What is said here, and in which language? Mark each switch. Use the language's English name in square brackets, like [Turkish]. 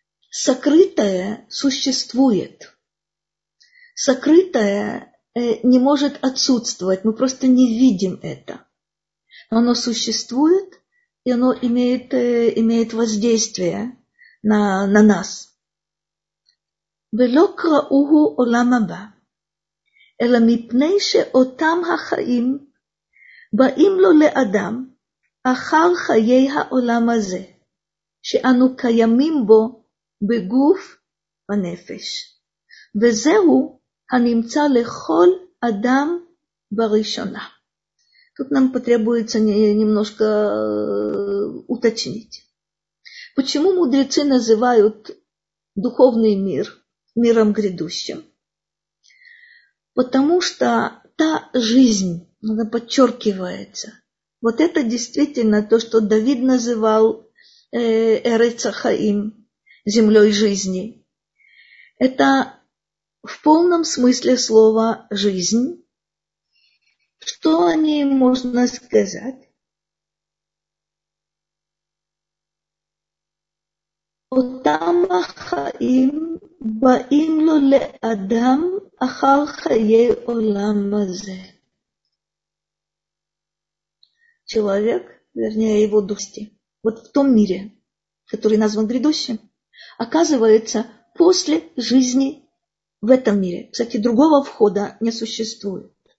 [Russian] Сокрытое существует. Сокрытое не может отсутствовать, мы просто не видим это. Оно существует, и оно имеет воздействие на нас. [Hebrew] ולא קראוהו עולם הבא, אלא מפני שאותם החיים באים לו לאדם אחר חיי העולם הזה, שאנו קיימים בו בגוף ונפש. וזהו הנמצא לכל אדם בראשונה. [Russian] Тут нам потребуется немножко уточнить. Почему мудрецы называют духовный мир миром грядущим? Потому что та жизнь, она подчеркивается. Вот это действительно то, что Давид называл Эрец Хаим, землей жизни. Это в полном смысле слова жизнь. Что о ней можно сказать? [Hebrew] Отам Хаим באים לו לאדם אחר חיי עולם הזה. [Russian] Человек, вернее, его дости. Вот в том мире, который назван грядущим, оказывается, после жизни в этом мире. Кстати, другого входа не существует.